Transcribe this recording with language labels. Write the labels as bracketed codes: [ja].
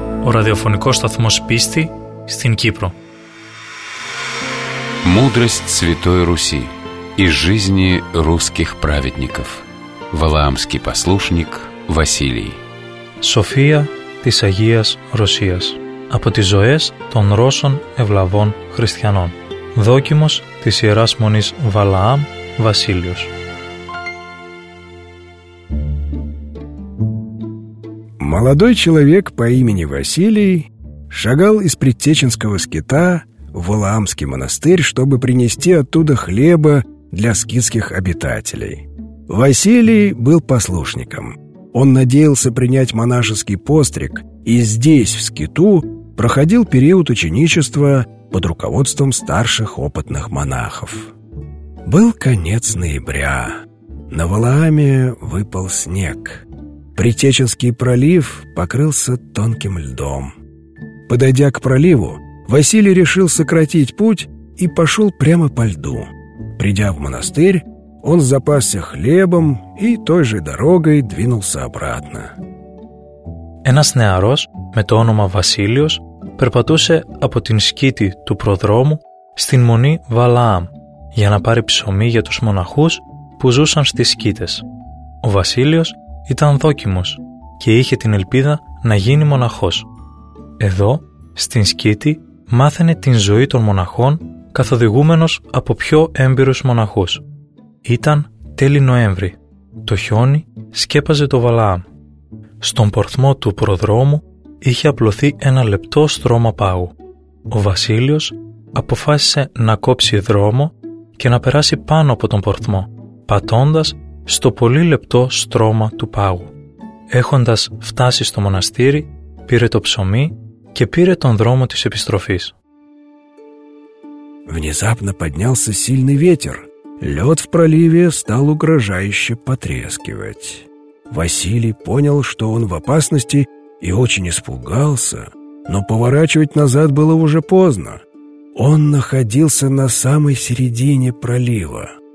[el] Радиофонικός сταθμός πίστη στην Κύπρο. [ru] Мудрость Святой Руси. из жизни русских праведников. Валаамский послушник Василий. [el] София της Αγίας Ρωσίας. Από τις ζωές των Ρώσων ευλαβών χριστιανών. Δόκιμος της Ιεράς Μονής Βαλαάμ Βασίλειος. [ru] Молодой человек по имени Василий шагал из предтеченского скита в Валаамский монастырь, чтобы принести оттуда хлеба для скитских обитателей. Василий был послушником. Он надеялся принять монашеский постриг и здесь, в скиту, проходил период ученичества под руководством старших опытных монахов. Был конец ноября. На Валааме выпал снег. Предтеченский пролив покрылся тонким льдом. Подойдя к проливу, Василий решил сократить путь и пошел прямо по льду. Придя в монастырь, он запасся хлебом и той же дорогой двинулся обратно. [el] Ένας νεαρός με το όνομα Βασίλειος περπατούσε από την σκήτη του προδρόμου στην μονή Βαλαάμ για να πάρει ψωμί για τους μοναχούς που ζούσαν στις σκήτες. Ο Βασίλειος ήταν δόκιμος και είχε την ελπίδα να γίνει μοναχός. Εδώ, στην σκήτη, μάθαινε την ζωή των μοναχών καθοδηγούμενος από πιο έμπειρους μοναχούς. Ήταν τέλη Νοέμβρη. Το χιόνι σκέπαζε το Βαλαάμ. Στον πορθμό του προδρόμου είχε απλωθεί ένα λεπτό στρώμα πάγου. Ο Βασίλειος αποφάσισε να κόψει δρόμο και να περάσει πάνω από τον πορθμό, πατώντας στο πολύ λεπτό στρώμα του πάγου. Έχοντας φτάσει στο μοναστήρι, πήρε το ψωμί και πήρε τον δρόμο της επιστροφής. [ru] Внезапно поднялся сильный ветер. Лед в проливе стал угрожающе потрескивать. Василий понял, что он в опасности, и очень испугался, но поворачивать назад было уже поздно. Он находился на самой середине пролива.